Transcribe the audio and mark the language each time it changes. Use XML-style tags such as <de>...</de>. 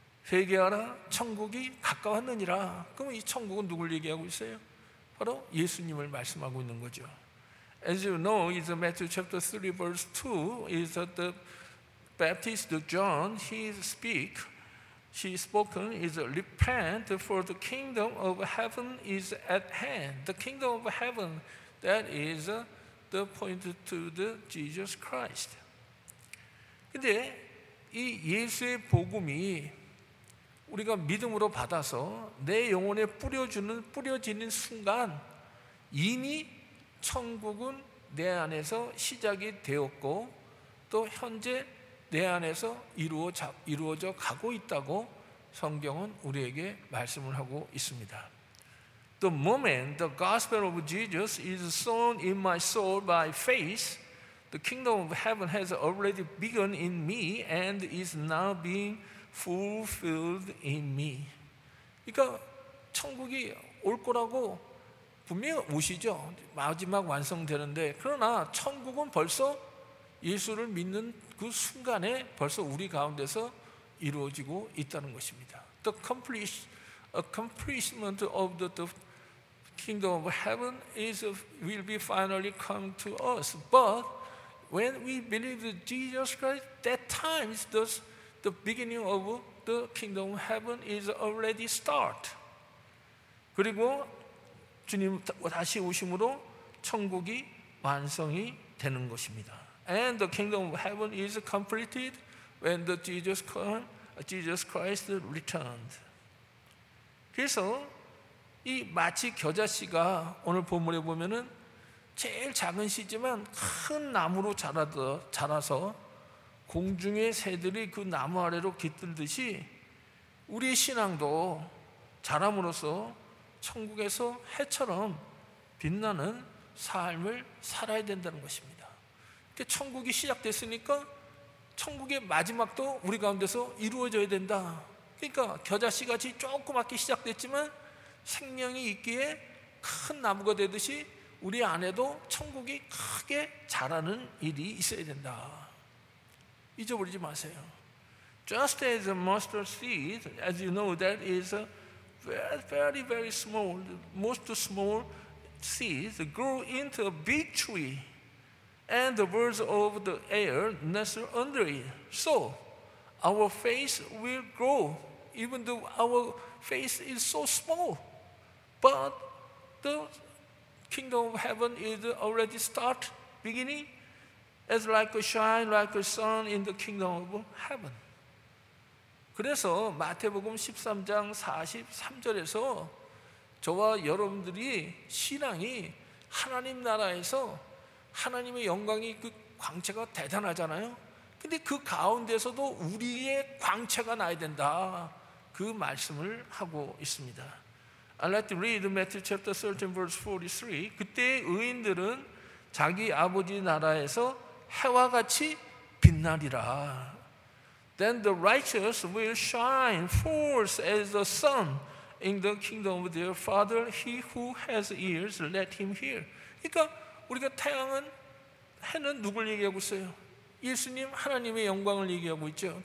<ko>회개하라 천국이 가까웠느니라. 그럼 이 천국은 누굴 얘기하고 있어요? 바로 예수님을 말씀하고 있는 거죠.</ko> <en>As you know, in Matthew chapter 3, verse 2, is that the Baptist John, he spoken, is repent, for the kingdom of heaven is at hand. The kingdom of heaven, that is the point to the Jesus Christ.</en> <ko>근데 이 예수의 복음이 우리가 믿음으로 받아서 내 영혼에 뿌려지는 순간 이미 천국은 내 안에서 시작이 되었고 또 현재 내 안에서 이루어져 가고 있다고 성경은 우리에게 말씀을 하고 있습니다.</ko> <en>The moment the gospel of Jesus is sown in my soul by faith, the kingdom of heaven has already begun in me and is now being fulfilled in me.</en> <ko>그러니까 천국이 올 거라고 분명히 오시죠. 마지막 완성되는데 그러나 천국은 벌써 예수를 믿는 그 순간에 벌써 우리 가운데서 이루어지고 있다는 것입니다.</ko> <en>The accomplishment of the kingdom of heaven will be finally come to us. But when we believe in Jesus Christ, that time is the beginning of the kingdom of heaven is already start.</en> <ko>그리고 주님 다시 오심으로 천국이 완성이 되는 것입니다.</ko> <en>And the kingdom of heaven is completed when Jesus Christ returned.</en> <ko>그래서 이 마치 겨자씨가 오늘 본문에 보면은 제일 작은 씨지만 큰 나무로 자라서 공중의 새들이 그 나무 아래로 깃들듯이 우리의 신앙도 자람으로써 천국에서 해처럼 빛나는 삶을 살아야 된다는 것입니다. 천국이 시작됐으니까 천국의 마지막도 우리 가운데서 이루어져야 된다. 그러니까 겨자씨 같이 조그맣게 시작됐지만 생명이 있기에 큰 나무가 되듯이 우리 안에도 천국이 크게 자라는 일이 있어야 된다. 잊어버리지 마세요.</ko> <en>Just as a mustard seed, as you know, that is a very, very small, most small seeds grow into a big tree and the birds of the air nestle under it. So our faith will grow, even though our faith is so small. But the kingdom of heaven is already start beginning as like a shine, like a sun in the kingdom of heaven.</en> <ko>그래서 마태복음 13장 43절에서 저와 여러분들이 신앙이 하나님 나라에서 하나님의 영광이 그 광채가 대단하잖아요. 근데 그 가운데서도 우리의 광채가 나야 된다. 그 말씀을 하고 있습니다.</ko> <en>I'd like to read Matthew chapter 13 verse 43.</en> <ko>그때 의인들은 자기 아버지 나라에서 해와 같이 빛나리라.</ko> <en>Then the righteous will shine forth as the sun in the kingdom of their father. He who has ears, let him hear.</en> <ko>그러니까 우리가 태양은 해는 누굴 얘기하고 있어요? 예수님 하나님의 영광을 얘기하고 있죠.</ko>